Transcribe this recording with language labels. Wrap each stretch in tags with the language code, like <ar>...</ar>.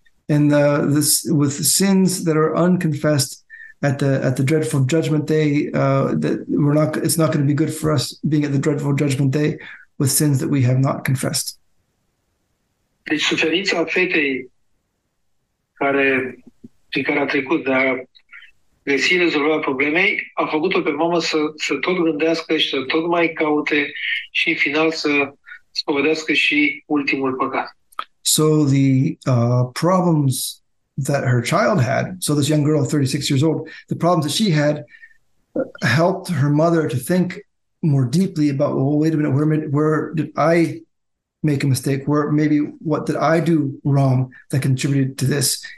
<en>And this with the sins that are unconfessed at the dreadful judgment day, it's not going to be good for us being at the dreadful judgment day with sins that we have not confessed.</en> <ro>Deci suferința fetei care a trecut de a găsi rezolvarea problemei a făcut-o pe mamă să tot gândească și să tot mai caute și în final să spovedească și ultimul păcat.</ro> <en>So the problems that her child had, so this young girl, 36 years old, the problems that she had helped her mother to think more deeply about, well, wait a minute, where did I make a mistake? Where maybe what did I do wrong that contributed to this?</en>